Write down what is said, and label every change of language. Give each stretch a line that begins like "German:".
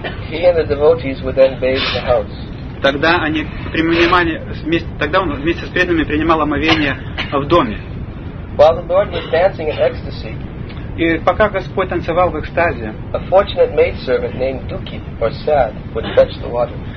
English: He and the devotees would then bathe the house.
Russian: Тогда они принимали вместе, тогда он вместе с преданными принимал омовение в доме.
English: While the Lord was dancing in ecstasy,
Russian: И пока Господь танцевал в экстазе,
English: a fortunate maidservant named Duki, or sad, would fetch the water.